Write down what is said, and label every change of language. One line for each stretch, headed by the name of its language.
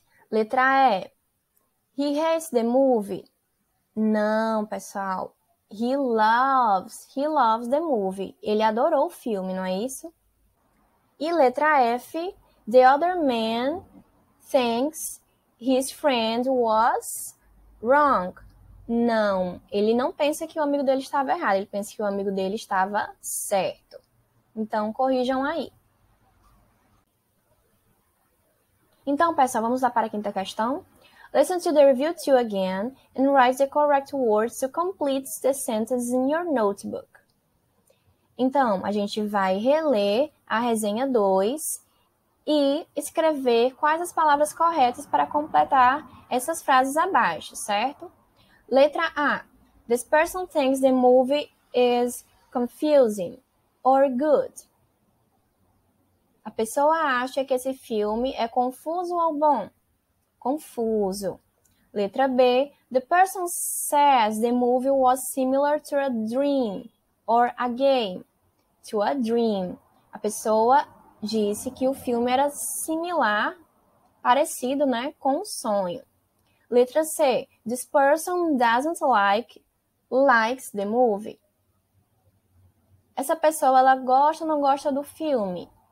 Portuguese: Letra E.
English: He hates the movie.
Portuguese: Não, pessoal.
English: He loves the movie.
Portuguese: Ele adorou o filme, não é isso? E letra F.
English: The other man thinks his friend was wrong.
Portuguese: Não, ele não pensa que o amigo dele estava errado. Ele pensa que o amigo dele estava certo. Então, corrijam aí. Então, pessoal, vamos lá para a quinta questão.
English: Listen to the review 2 again and write the correct words to complete the sentences in your notebook.
Portuguese: Então, a gente vai reler a resenha 2 e escrever quais as palavras corretas para completar essas frases abaixo, certo? Letra A.
English: This person thinks the movie is confusing or good.
Portuguese: A pessoa acha que esse filme é confuso ou bom? Confuso. Letra B.
English: The person says the movie was similar to a dream or a game. To a dream.
Portuguese: A pessoa disse que o filme era similar, parecido, né, com um sonho. Letra C.
English: This person doesn't likes the movie.
Portuguese: Essa pessoa, ela gosta ou não gosta do filme?